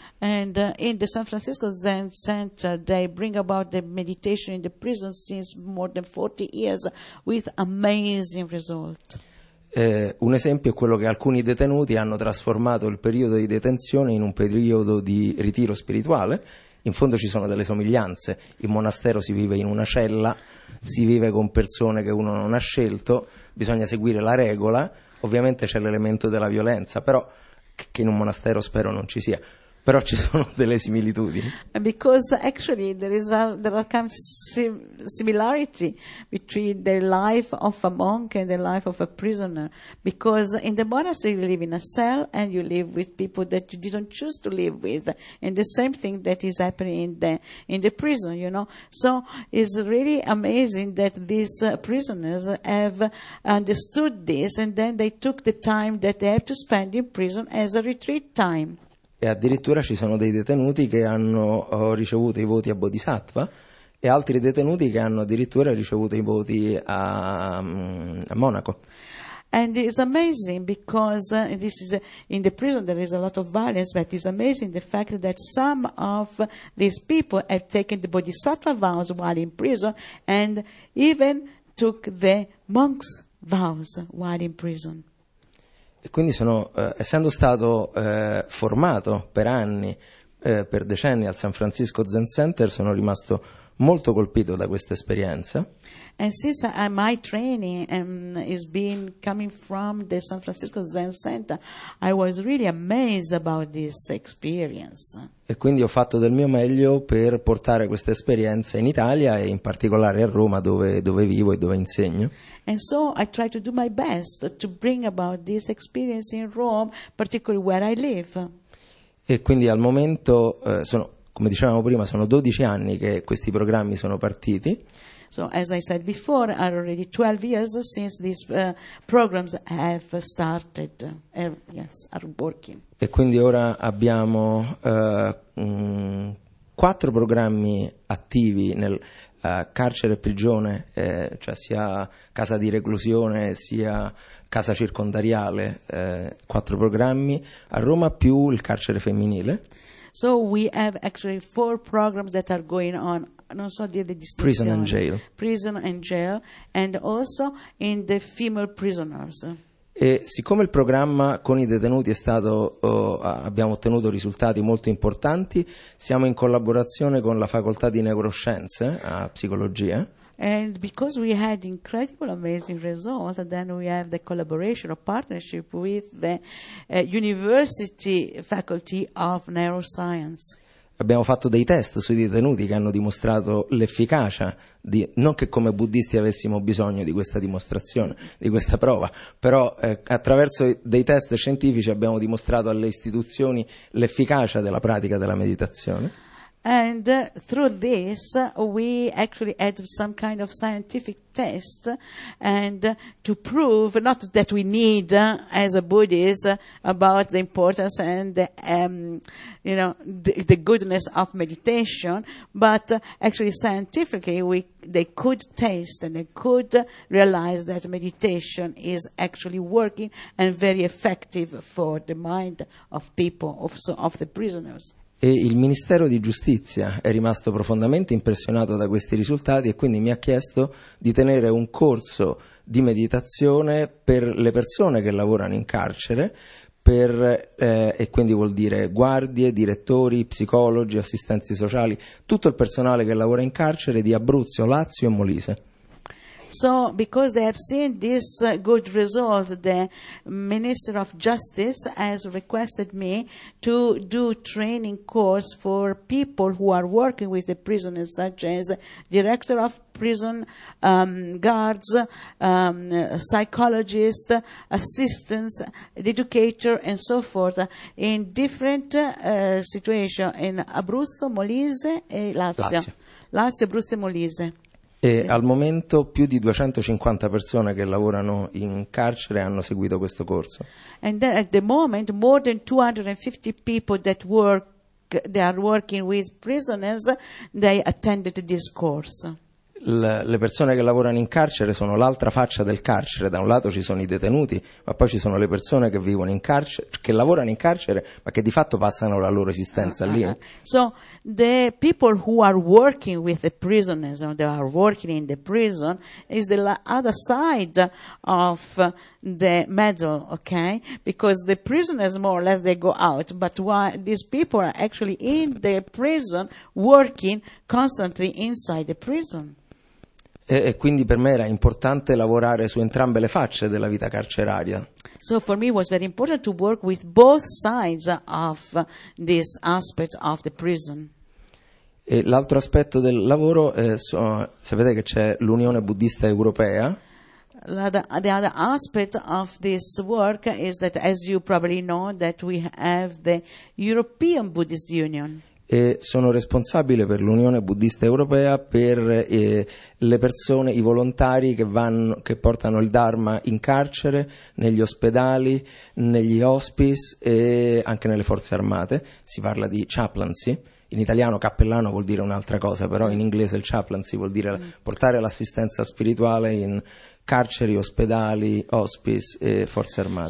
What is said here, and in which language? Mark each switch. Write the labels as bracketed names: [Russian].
[English] And in the San Francisco Zen Center they bring about the meditation in the prison since more than 40 years with amazing results. [Italian] Un esempio è quello che alcuni detenuti hanno trasformato il periodo di detenzione in un periodo di ritiro spirituale. In fondo ci sono delle somiglianze. Il monastero si vive in una cella, si vive con persone che uno non ha scelto, bisogna seguire la regola. Ovviamente c'è l'elemento della violenza, però che in un monastero spero non ci sia. Però ci sono delle similitudini. [English] Because actually there are similarity between the life of a monk and the life of a prisoner. Because in the monastery you live in a cell and you live with people that you didn't choose to live with. And the same thing that is happening in the prison, you know. So it's really amazing that these prisoners have understood this and then they took the time that they have to spend in prison as a retreat time. [Italian] E addirittura ci sono dei detenuti che hanno ricevuto i voti a Bodhisattva e altri detenuti che hanno addirittura ricevuto i voti a Monaco. [English] And it's amazing because this is in the prison there is a lot of violence, but it's amazing the fact that some of these people have taken the Bodhisattva vows while in prison and even took the monk's vows while in prison. [Italian] Quindi sono, essendo stato formato per anni, per decenni al San Francisco Zen Center, sono rimasto molto colpito da questa esperienza. [English] And since my training is been coming from the San Francisco Zen Center, I was really amazed about this experience. [Italian] E quindi ho fatto del mio meglio per portare questa esperienza in Italia e in particolare a Roma, dove vivo e dove insegno. [English] And so I try to do my best to bring about this experience in Rome, particularly where I live. [Italian] E quindi al momento sono, come dicevamo prima, sono 12 anni che questi programmi sono partiti. [English] So as I said before, are already 12 years since these programs have started. Yes, are working. [Italian] E quindi ora abbiamo quattro programmi attivi nel carcere e prigione, cioè sia casa di reclusione sia casa circondariale, quattro programmi a Roma più il carcere femminile. [English] So we have actually four programs that are going on. [Italian] Non so dire le distinzioni. [English] Prison and jail. Prison and jail, and also in the female prisoners. [Italian] E siccome il programma con i detenuti è stato, abbiamo ottenuto risultati molto importanti, siamo in collaborazione con la facoltà di neuroscienze, a psicologia. [English] And because we had incredible, amazing results, then we have the collaboration or partnership with the university faculty of neuroscience. [Italian] Abbiamo fatto dei test sui detenuti che hanno dimostrato l'efficacia, di non che come buddisti avessimo bisogno di questa dimostrazione, di questa prova, però attraverso dei test scientifici abbiamo dimostrato alle istituzioni l'efficacia della pratica della meditazione. [English] And through this we actually had some kind of scientific test and to prove not that we need as a Buddhist about the importance and you know the goodness of meditation, but actually scientifically they could taste and they could realize that meditation is actually working and very effective for the mind of people, also of the prisoners. [Italian] E il Ministero di Giustizia è rimasto profondamente impressionato da questi risultati e quindi mi ha chiesto di tenere un corso di meditazione per le persone che lavorano in carcere, e quindi vuol dire guardie, direttori, psicologi, assistenti sociali, tutto il personale che lavora in carcere di Abruzzo, Lazio e Molise. [English] So, because they have seen this good result, the Minister of Justice has requested me to do training course for people who are working with the prisoners, such as director of prison, guards, psychologist, assistants, educator, and so forth, in different situations in Abruzzo, Molise e Lazio. [Italian] Lazio, Abruzzo e Molise. Al momento più di 250 persone che lavorano in carcere hanno seguito questo corso. [English] And then at the moment more than 250 people that work they are working with prisoners they attended this course. [Italian] Le persone che lavorano in carcere sono l'altra faccia del carcere. Da un lato ci sono i detenuti, ma poi ci sono le persone che vivono in carcere, che lavorano in carcere, ma che di fatto passano la loro esistenza lì. [English] So the people who are working with the prisoners, they are working in the prison, is the other side of the medal, okay? Because the prisoners more or less they go out, but why these people are actually in the prison working constantly inside the prison. [Italian] E quindi per me era importante lavorare su entrambe le facce della vita carceraria. [English] So for me was very important to work with both sides of this aspect of the prison. [Italian] E l'altro aspetto del lavoro è, sapete che c'è l'Unione Buddista Europea. [English] The other aspect of this work is that, as you probably know, that we have the European Buddhist Union. [Italian] E sono responsabile per l'Unione Buddista Europea per le persone, i volontari che portano il Dharma in carcere, negli ospedali, negli hospice e anche nelle forze armate. Si parla di chaplaincy. In italiano cappellano vuol dire un'altra cosa, però in inglese il chaplaincy vuol dire portare l'assistenza spirituale in carceri, ospedali, hospice e forze armate.